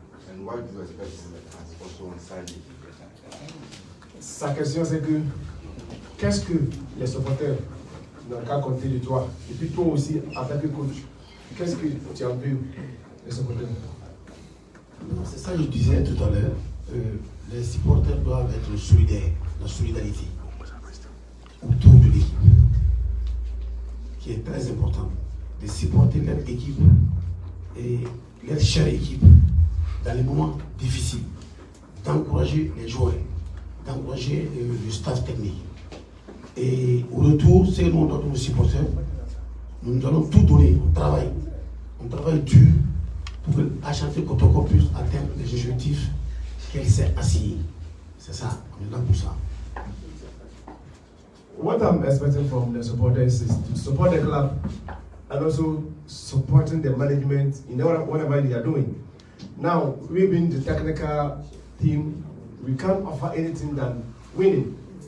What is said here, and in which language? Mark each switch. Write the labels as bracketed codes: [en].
[en] And what do you expect from the fans also on Sunday? [fr] Sa question, c'est que qu'est-ce que les supporters n'ont qu'à compter de toi? Et puis toi aussi, en tant que coach, qu'est-ce que tu as vu les supporters? C'est ça que je disais tout à l'heure. Les supporters doivent être solidaires, la solidarité autour de l'équipe, qui est très important, de supporter leur équipe et leur chère équipe dans les moments difficiles, d'encourager les joueurs, d'encourager le staff technique. Et au retour, c'est nous, notre supporter, nous allons tout donner, on travaille dur pour que Asante Kotoko puisse atteindre les objectifs qu'elle s'est assise. C'est ça, on est là pour ça. [en] What I'm expecting from the supporters is to support the club and also supporting the management in whatever they are doing. Now, we being the technical team, we can't offer anything than winning.